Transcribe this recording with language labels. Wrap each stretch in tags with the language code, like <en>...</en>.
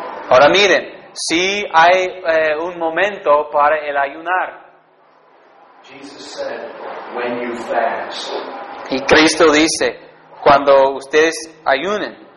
<es>Ahora miren, sí hay un momento para el ayunar.</es> <en>Jesus said, when you fast.</en> <es>Y Cristo dice, cuando ustedes ayunen,</es>